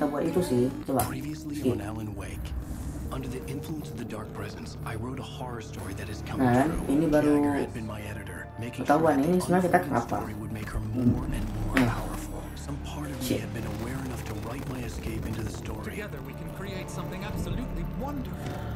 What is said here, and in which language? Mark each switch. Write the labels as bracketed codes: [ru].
[en] Previously on Alan Wake, under the influence of the dark presence, I wrote a horror story that is coming true. [id] Nah, ini baru ketahuan ini sebenarnya kita kenapa. [en] More and more powerful. Some part of me had been aware enough to write my escape into the story. Together we can create something absolutely wonderful.